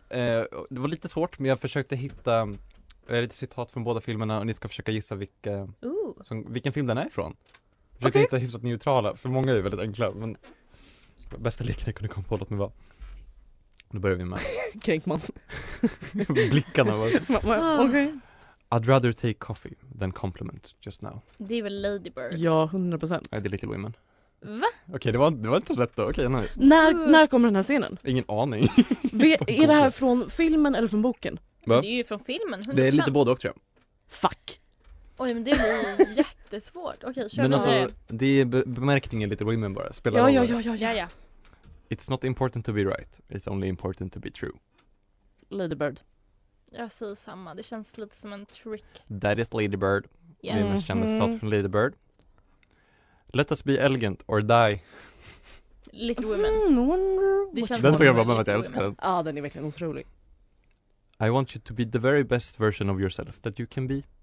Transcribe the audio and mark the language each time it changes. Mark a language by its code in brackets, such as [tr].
[sv] Det var lite svårt, men jag försökte hitta... Det är lite citat från båda filmerna och ni ska försöka gissa vilken film den är ifrån. Försök att hitta hyfsat neutrala, för många är ju väldigt enkla. Men bästa leken jag kunde komma på, låt mig vara. Då börjar vi med. Kränkman. Blickarna bara. Okej. Okay. [en] I'd rather take coffee than compliment just now. [sv] Det är väl Lady Bird? Ja, 100%. Nej, det är Little Women. Va? Okej, det var inte så lätt då. Okej, nice. När kommer den här scenen? Ingen aning. Är det här från filmen eller från boken? Va? Det är ju från filmen. 100%. Det är lite både och, tror jag. [en] Fuck. [sv] Oj, men det blir jättesvårt. Okej, kör. Men alltså, det är bemärkningen Little Women bara. Spelar ja, ja, ja, ja, ja, ja. [en] It's not important to be right. It's only important to be true. Lady Bird. [sv] Jag säger samma. Det känns lite som en trick. [en] That is Lady Bird. Yes. [sv] Det är mest kända citat från Lady Bird. [en] Let us be elegant or die. Little Women. No wonder. [sv] Den tog jag bara med att jag älskar den. Ja, den är verkligen otrolig. [en] I want you to be the very best version of yourself that you can be.